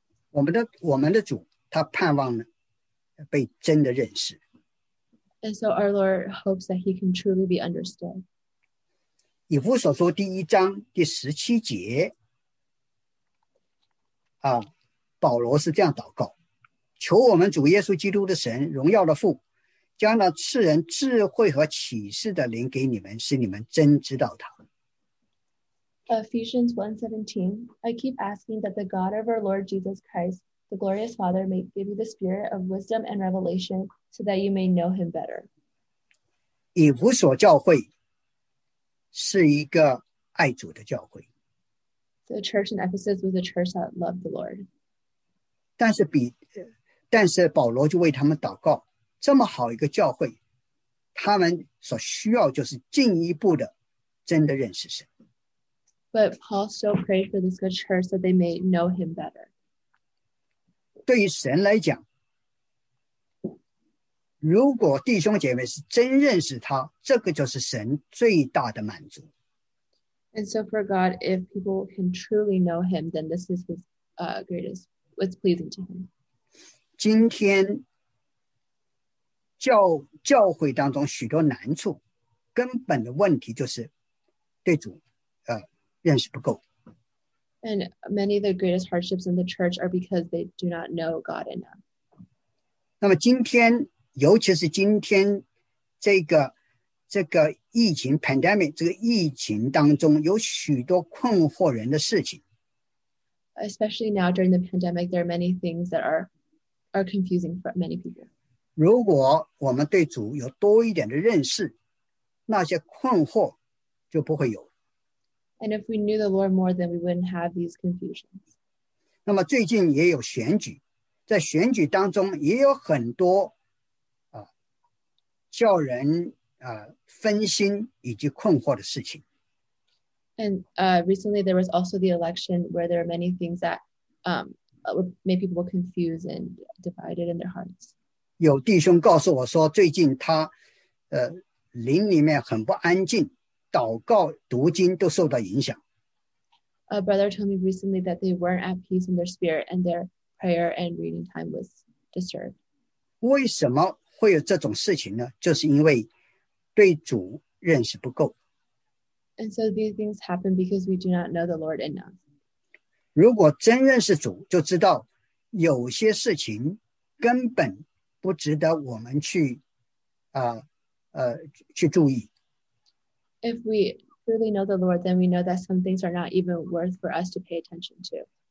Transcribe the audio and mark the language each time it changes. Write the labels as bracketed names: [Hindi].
[Chinese] 我们的主他盼望被真的认识。 [English] And so our Lord hopes that he can truly be understood. [Chinese] 以弗所书第一章第十七节保罗是这样祷告，求我们主耶稣基督的神，荣耀的父，将那赐人智慧和启示的灵给你们，使你们真知道他。 [English] Ephesians 1:17, I keep asking that the God of our Lord Jesus Christ, the glorious Father, may give you the spirit of wisdom and revelation so that you may know him better. [Chinese] 以弗所教会是一个爱主的教会。 [English] The church in Ephesus was a church that loved the Lord. [Chinese] 但是保罗就为他们祷告，这么好一个教会，他们所需要就是进一步的真的认识神。 [English] But Paul still prayed for this good church that they may know him better. [Chinese] 对于神来讲，如果弟兄姐妹是真认识他，这个就是神最大的满足。 [English] And so for God, if people can truly know him, then this is his greatest, what's pleasing to him. [Chinese] 今天教会当中许多难处，根本的问题就是对主。认识不够。 [English] And many of the greatest hardships in the church are because they do not know God enough. [Chinese] 那么今天，尤其是今天这个疫情 pandemic 这个疫情当中有许多困惑人的事情。 [English] Especially now during the pandemic, there are many things that are confusing for many people. [Chinese] 如果我们对主有多一点的认识，那些困惑就不会有。 [English] And if we knew the Lord more, then we wouldn't have these confusions. [Chinese] 那么最近也有选举，在选举当中也有很多叫人分心以及困惑的事情。 [English] And recently there was also the election where there are many things that made people confused and divided in their hearts. [Chinese] 有弟兄告诉我说，最近他灵里面很不安静，祷告、读经都受到影响。 [English] A brother told me recently that they weren't at peace in their spirit and their prayer and reading time was disturbed. [Chinese] 为什么会有这种事情呢？就是因为对主认识不够。 [English] And so these things happen because we do not know the Lord enough. [Chinese] 如果真认识主，就知道有些事情根本不值得我们去注意。 [English] If we truly know the Lord, then we know that some things are not even worth for us to pay attention to.